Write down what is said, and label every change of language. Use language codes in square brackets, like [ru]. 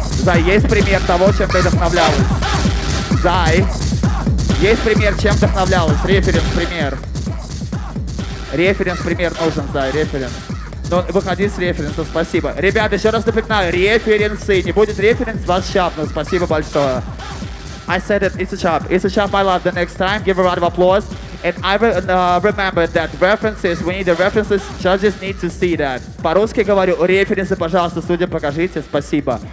[ru] Зай, есть пример того, чем ты вдохновлялась? Зай, есть пример, чем вдохновлялась? Референс, пример. Референс, пример нужен, Зай, референс. Ну, выходи с референса, спасибо. Ребята, еще раз напоминаю, референсы. Не будет референс, вас щапну. Спасибо большое. [en] I said it, it's a chop. It's a chop, my love. The next time, give a round of applause. And I remember that references, we need the references, judges need to see that. [ru] По-русски говорю, референсы, пожалуйста, студия, покажите, спасибо.